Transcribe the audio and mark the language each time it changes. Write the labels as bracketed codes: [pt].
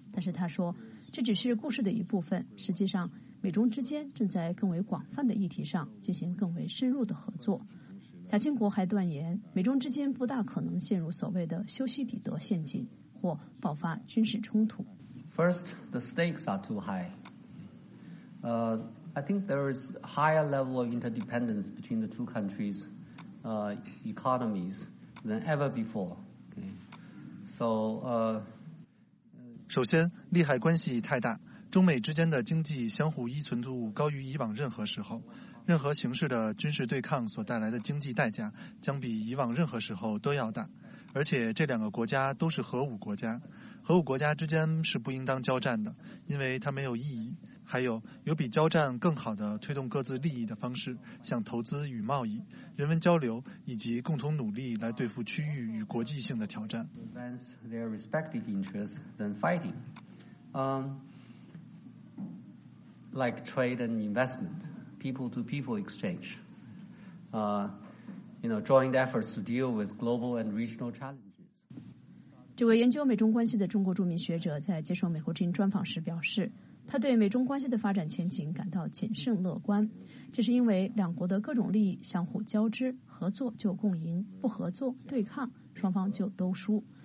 [zh] 但是他说，这只是故事的一部分，实际上美中之间正在更为广泛的议题上进行更为深入的合作。贾庆国还断言，美中之间不大可能陷入所谓的修昔底德陷阱或爆发军事冲突。 [en] First, the stakes are too high. I think there is a higher level of interdependence between the two countries, economies than ever before. So, [zh] 首先，利害关系太大，中美之间的经济相互依存度高于以往任何时候。任何形式的军事对抗所带来的经济代价将比以往任何时候都要大，而且这两个国家都是核武国家，核武国家之间是不应当交战的，因为它没有意义。还有，有比交战更好的推动各自利益的方式，像投资与贸易、人文交流以及共同努力来对付区域与国际性的挑战。 [en] Like trade and investment. People to people exchange, joint efforts to deal with global and regional challenges. [zh] 这位研究美中关系的中国著名学者在接受美国之音专访时表示，他对美中关系的发展前景感到谨慎乐观，这是因为两国的各种利益相互交织，合作就共赢，不合作对抗，双方就都输。